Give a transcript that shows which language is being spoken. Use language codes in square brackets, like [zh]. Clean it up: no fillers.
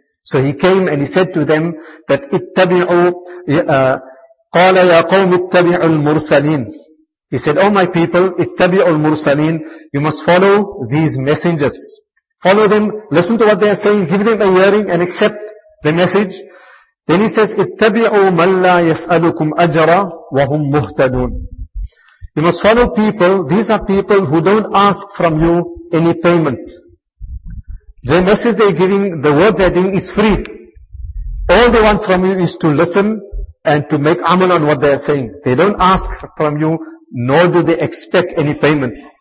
[en] So he came and he said to them that [ar] اتبعوا قال يا قوم اتبعوا المرسلين. [en] He said, oh my people, [ar] اتبعوا المرسلين, [en] you must follow these messengers. Follow them, listen to what they are saying, give them a hearing and accept the message. Then he says, [ar] اتبعوا من لا يسألكم أجرا وهم مهتدون. [en] You must follow people, these are people who don't ask from you any payment. The message they're giving, the word they're giving is free. All they want from you is to listen and to make amal on what they're saying. They don't ask from you, nor do they expect any payment.